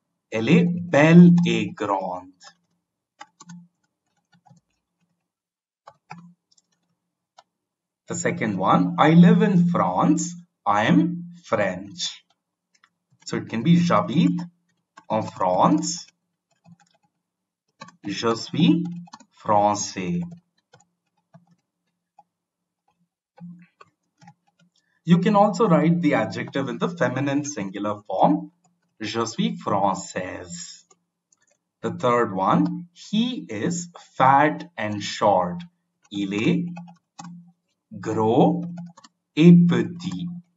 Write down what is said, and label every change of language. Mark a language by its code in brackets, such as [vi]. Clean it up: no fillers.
[fr] Elle est belle et grande. [en] The second one, I live in France, I am French. So it can be [fr] j'habite en France, je suis français. [en] You can also write the adjective in the feminine singular form. [fr] Je suis française. [en] The third one, he is fat and short. [fr] Il est gros et petit.